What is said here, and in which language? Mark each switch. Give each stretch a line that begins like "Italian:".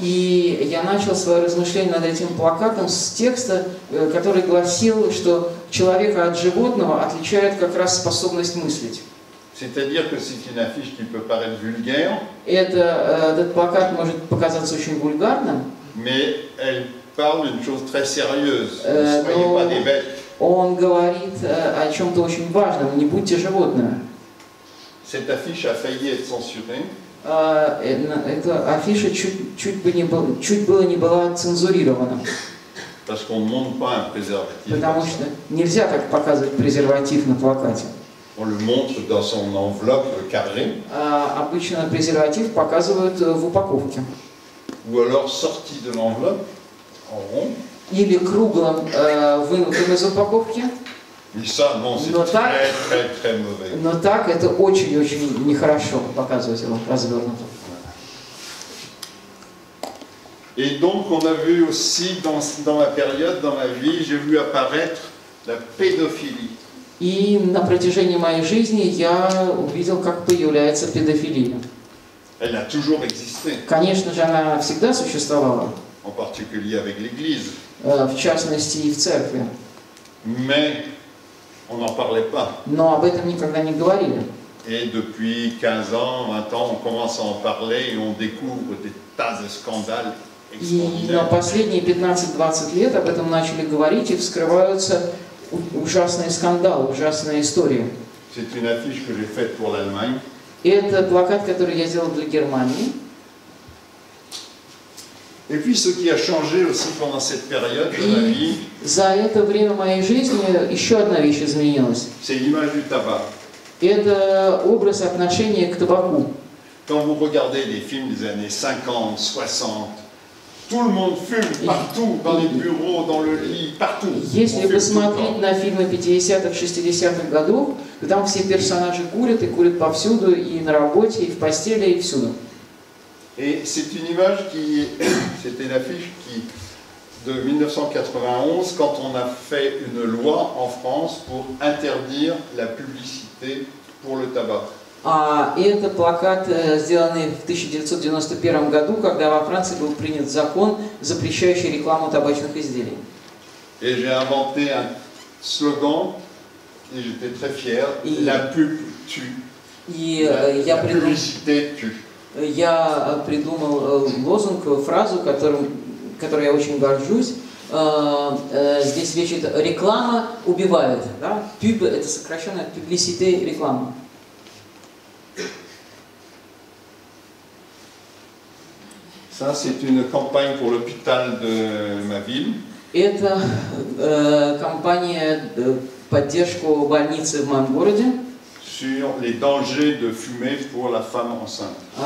Russian: И я начал свое размышление над этим плакатом с текста, который гласил, что человека от животного отличает как раз способность мыслить.
French: C'est-à-dire que c'est une affiche qui peut paraître vulgaire.
Russian: Этот плакат может показаться очень вульгарным.
French: Mais elle parle d'une chose très sérieuse. Ne soyez pas des bêtes.
Russian: Он говорит о чем-то очень важном. Не будьте животными.
French: Cette affiche a failli être censurée.
Russian: Эта афиша чуть было не была цензурирована.
French: Parce qu'on ne montre pas un préservatif.
Russian: Потому что нельзя так показывать презерватив на плакате.
French: On le montre dans son enveloppe carrée.
Russian: Обычно презерватив показывают в упаковке.
French: Ou alors sorti de l'enveloppe en rond.
Russian: Или круглым вынутым из упаковки.
French: Ça, non, c'est
Russian: но, так,
French: très, très, très mauvais.
Russian: Но так это очень-очень нехорошо показывать его развернутым.
French: Et donc on a vu aussi dans la période, dans ma vie, j'ai vu apparaître la pédophilie.
Russian: И на протяжении моей жизни я увидел, как появляется педофилия.
French: Elle a toujours existé.
Russian: Конечно же, она всегда существовала.
French: En particulier avec l'Église.
Russian: В частности, и в церкви.
French: Mais on n'en parlait pas.
Russian: Но об этом никогда не говорили.
French: Et depuis 15 ans, 20 ans, on commence à en parler et on découvre des tas de scandales.
Russian: И на последние 15-20 лет об этом начали говорить, и вскрываются ужасные скандалы, ужасные истории.
French: C'est une affiche que j'ai faite pour l'Allemagne.
Russian: Это плакат, который я сделал для Германии.
French: Et puis ce qui a changé aussi pendant cette période de ma vie.
Russian: За это время моей жизни еще одна вещь изменилась.
French: C'est l'image du tabac.
Russian: Это образ отношения к табаку.
French: Quand vous regardez les films des années 50, 60, tout le monde fume partout, dans les bureaux, dans le lit, partout.
Russian: Если посмотреть на фильмы 50-х, 60-х годов, там все персонажи курят и курят повсюду, и на работе, и в постели, и всюду.
French: Et c'est une image qui, c'était l'affiche qui, de 1991, quand on a fait une loi en France pour interdire la publicité pour le tabac.
Russian: И это плакат, сделанный в 1991 году, когда во Франции был принят закон, запрещающий рекламу табачных изделий.
French: Et j'ai inventé un slogan, et j'étais très fier, la pub tue. Publicité tue.
Russian: Я придумал лозунг, фразу, которой я очень горжусь. Здесь вещь – реклама убивает. Да? Pub – это сокращенно publicité – реклама.
French: Ça, c'est une campagne pour l'hôpital de ma ville.
Russian: Это кампания поддержку больницы в моем городе.
French: Sur les dangers de fumer pour la femme enceinte.